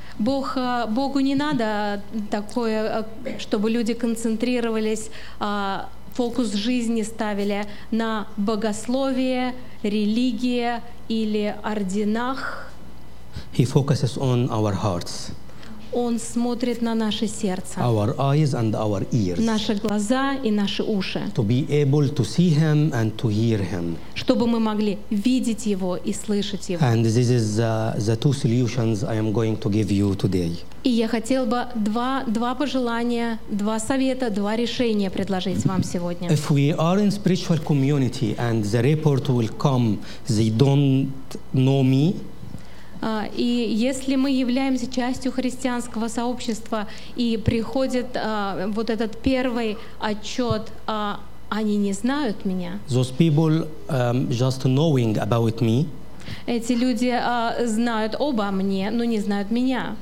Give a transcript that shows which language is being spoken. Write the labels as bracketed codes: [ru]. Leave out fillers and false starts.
[ru] Богу не надо такое, чтобы люди концентрировались, фокус жизни ставили на богословие, религии или орденах. [en] He focuses on our hearts. [ru] Он смотрит на наше сердце. [en] Our eyes and our ears. [ru] Наши глаза и наши уши. [en] To be able to see him and to hear him. [ru] Чтобы мы могли видеть его и слышать его. [en] And this is the two solutions I am going to give you today. [ru] И я хотел бы два пожелания, два совета, два решения предложить вам сегодня. [en] If we are in spiritual community and the report will come, they don't know me. [ru] И если мы являемся частью христианского сообщества и приходит вот этот первый отчет, они не знают меня. [en] Those people just knowing about me. [ru] Эти люди знают обо мне, но не знают меня.